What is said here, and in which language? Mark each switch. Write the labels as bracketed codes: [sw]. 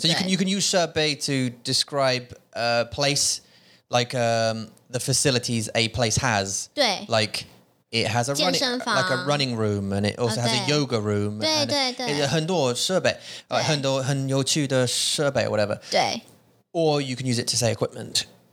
[en] So you can use 设备 to describe a place, like the facilities a place has. [zh] 对。 [en] Like it has a running room, and it also has a yoga room. [zh] 对对对。很多设备，很多很有趣的设备 [en] ，whatever. [zh] 对。 [en] Or you can use it to say equipment.